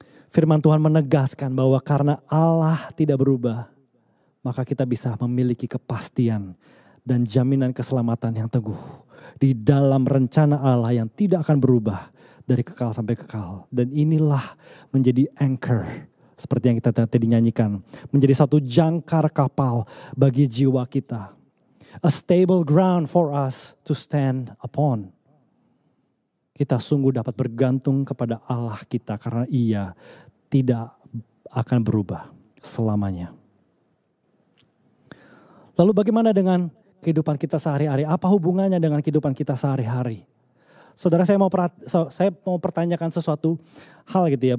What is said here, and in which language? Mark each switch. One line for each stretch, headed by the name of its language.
Indonesian: Firman Tuhan menegaskan bahwa karena Allah tidak berubah, maka kita bisa memiliki kepastian dan jaminan keselamatan yang teguh di dalam rencana Allah yang tidak akan berubah dari kekal sampai kekal. Dan inilah menjadi anchor seperti yang kita tadi nyanyikan. Menjadi satu jangkar kapal bagi jiwa kita.
English: A stable ground for us to stand upon.
Indonesian: Kita sungguh dapat bergantung kepada Allah kita karena ia tidak akan berubah selamanya. Lalu bagaimana dengan kehidupan kita sehari-hari, apa hubungannya dengan kehidupan kita sehari-hari? Saudara, saya mau pertanyakan sesuatu hal gitu ya.